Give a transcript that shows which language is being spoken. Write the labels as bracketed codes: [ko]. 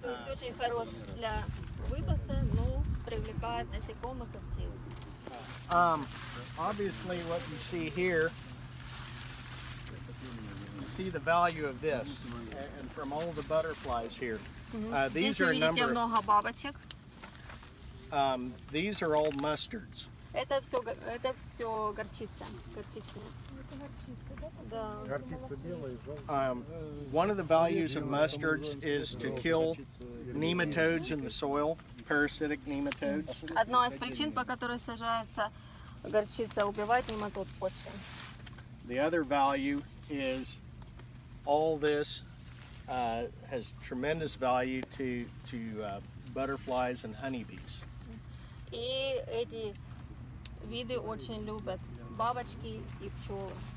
[ru] Очень хорош для выпаса, но привлекает насекомых и птиц. [en] Obviously, what you see here. See the value of this, and from all the butterflies here, these are a number. [ru] Много бабочек. [en] These are all mustards. [ru] Это все горчица, горчичная. [en] One of the values of mustards is to kill nematodes in the soil, parasitic nematodes. [ru] Одна из причин, по которой сажается горчица, убивает нематод в почве. [en] The other value is all this has tremendous value to butterflies and honeybees. [ru] И эти виды очень любят бабочки и пчелы.